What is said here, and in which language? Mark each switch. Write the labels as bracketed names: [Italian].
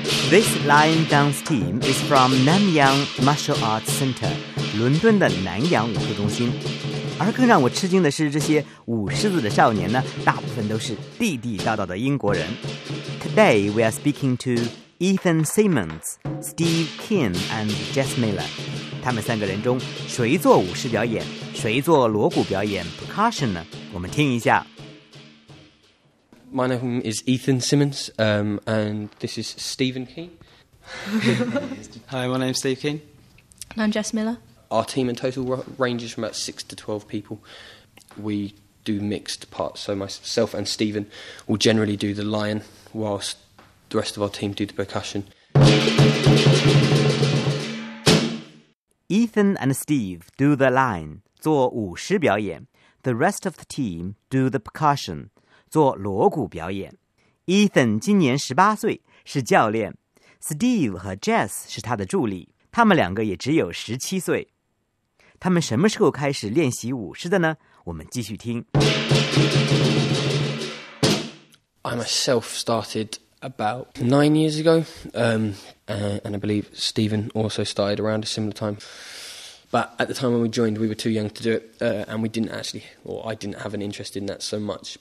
[English] This lion dance team is from Nanyang Martial Arts Center, [Chinese] 伦敦的南洋武术中心。而更让我吃惊的是，这些舞狮子的少年呢，大部分都是地地道道的英国人。 [English] Today we are speaking to Ethan Simmons, Steve Keane and Jess Miller. [Chinese] 他们三个人中，谁做舞狮表演，谁做锣鼓表演 percussion 呢？我们听一下。 [English] My name is Ethan Simmons, and this is Stephen Keane. Hi, my name's Steve Keane. And I'm Jess Miller. Our team in total ranges from about 6 to 12 people. We do mixed parts, so myself and Stephen will generally do the lion, whilst the rest of our team do the percussion. Ethan and Steve do the lion, [Chinese] 做舞狮表演. [English] The rest of the team do the percussion. [Chinese] 做锣鼓表演。 Ethan 今年18岁，是教练。Steve 和 Jess 是他的助理，他们两个也只有17岁。他们什么时候开始练习舞狮的呢？我们继续听。 [English] I myself started about 9 years ago, and I believe Stephen also started around a similar time. But at the time when we joined, we were too young to do it, and we didn't actually, or I didn't have an interest in that so much.